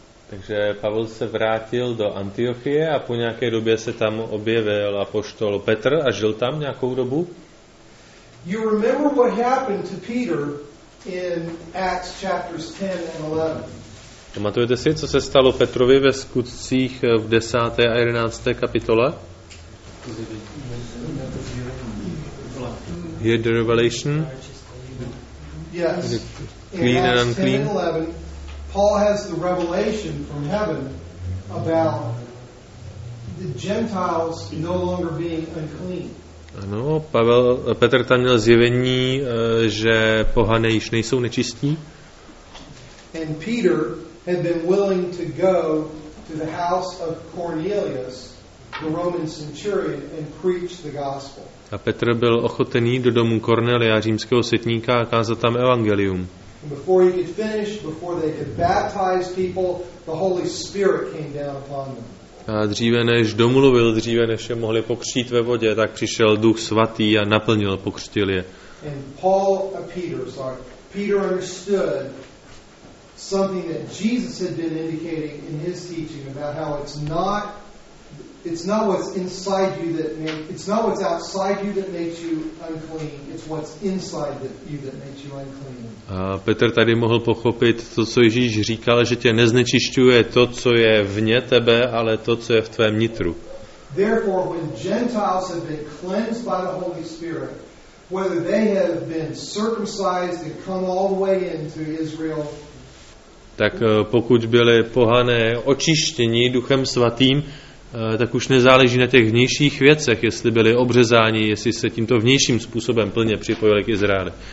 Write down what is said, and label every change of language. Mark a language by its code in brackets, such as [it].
[cs] Takže Pavel se vrátil do Antiochie a po nějaké době se tam objevil apoštol Petr a žil tam nějakou dobu. [en] You remember what happened to Peter in Acts chapters 10 and 11. [cs] Pamatujete si, co se stalo Petrovi ve Skutcích v 10. a 11. kapitole? [en] Here the revelation. Yes. Clean and unclean. Paul has the revelation from heaven about the Gentiles no longer being unclean. [cs] Ano, Petr tam měl zjevení, že pohané již nejsou nečistí. [en] And Peter had been willing to go to the house of Cornelius, the Roman centurion, and preach the gospel. [cs] A Petr byl ochotný do domu Kornelia, římského setníka, a kázat tam evangelium. [en] Before he could finish, before they could baptize people, the Holy Spirit came down upon them. [cs] A dříve než domluvil, dříve než je mohli pokřtít ve vodě, tak přišel Duch Svatý a naplnil, pokřtil je. [en] And Paul and Peter, sorry, Peter understood something that Jesus had been indicating in his teaching about how it's not what's inside you that makes, it's not what's outside you that makes you unclean, it's what's inside you that makes you unclean. [cs] A Petr tady mohl pochopit to, co Ježíš říkal, že tě neznečišťuje to, co je vně tebe, ale to, co je v tvém nitru. [en] Therefore, when Gentiles have been cleansed by the Holy Spirit, whether they have been circumcised and come all the way into Israel, [cs] tak pokud byli pohané očištěni Duchem Svatým, tak už nezáleží na těch vnějších věcech, jestli byli obřezáni, jestli se tímto vnějším způsobem plně připojili k Izraeli.